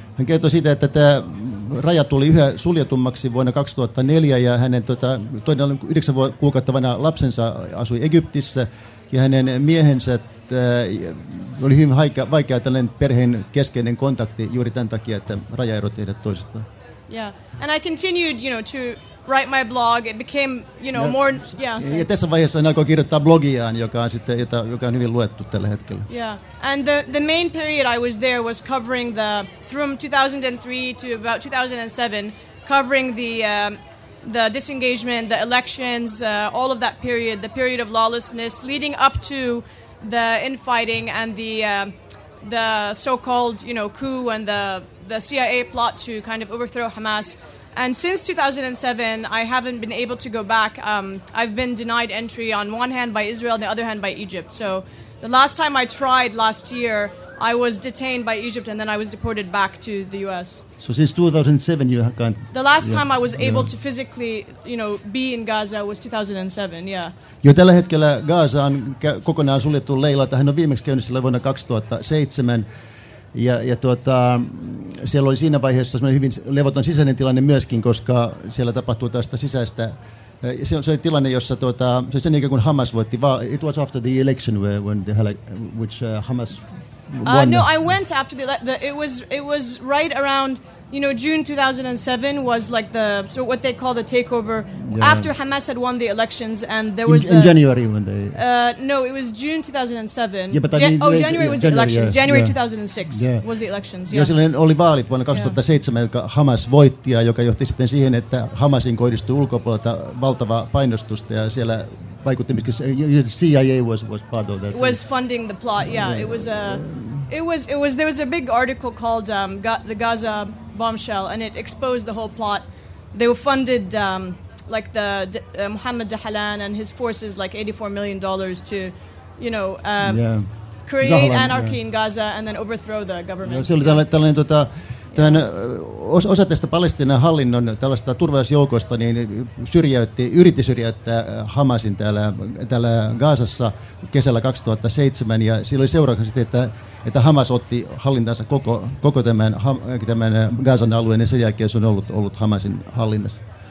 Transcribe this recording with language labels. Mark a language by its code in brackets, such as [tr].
[fi] Hän kertoi siitä, että tämä raja tuli yhä suljetummaksi vuonna 2004 ja hänen toinen 9 kuukautta vanha lapsensa asui Egyptissä ja hänen miehensä oli hyvin vaikea tällainen perheen keskeinen kontakti juuri tämän takia, että raja erotti heidät toisistaan. [en] Yeah, and I continued, to write my blog. It became, you know, more. Yeah. [fi] Ja tässä vaiheessa hän alkoi kirjoittaa blogiaan, joka on sitten, joka on hyvin luettu tällä hetkellä. [en] Yeah, and the main period I was there was covering the from 2003 to about 2007, covering the disengagement, the elections, all of that period, the period of lawlessness leading up to the infighting and the so-called, you know, coup and the CIA plot to kind of overthrow Hamas. And since 2007, I haven't been able to go back. I've been denied entry on one hand by Israel, the other hand by Egypt. So the last time I tried last year, I was detained by Egypt and then I was deported back to the U.S. So since 2007 you have gone... The last time I was able to physically, you know, be in Gaza was 2007, yeah. [fi] Jo tällä hetkellä Gaza on kokonaan suljettu leila, että hän on viimeksi käynyt siellä vuonna 2007. Ja tuota, siellä oli siinä vaiheessa hyvin levoton sisäinen tilanne myöskin, koska siellä tapahtuu tästä sisäistä. Se oli tilanne, jossa tuota, se oli sen ikään kuin Hamas voitti. [en] It was after the election which Hamas... No, I went after the it was right around, you know, June 2007 was like the so what they call the takeover after Hamas had won the elections and there was in January when they no, it was June 2007. Yeah, but January 2006 was the elections. Yeah. [fi] Ja silloin oli vaalit vuonna 2007, jotka Hamas voitti ja joka johti sitten siihen, että Hamasin kohdistui ulkopuolelta valtava painostusta ja siellä vaikutti, [en] because CIA was part of that. Was funding the plot. Yeah, it was there was a big article called the Gaza Bombshell and it exposed the whole plot. They were funded like the Mohammed Dahlan and his forces like $84 million to, you know, create anarchy in Gaza and then overthrow the government. [fi] Se oli tällainen osa tästä Palestiinan hallinnon tällaista turvallisuusjoukosta niin yritti syrjäyttää Hamasin täällä Gazassa kesällä 2007 ja siellä oli seurauksena sitten, että Hamas otti hallintansa koko tämän Gazan alueen ja sen jälkeen se on ollut Hamasin hallinnassa.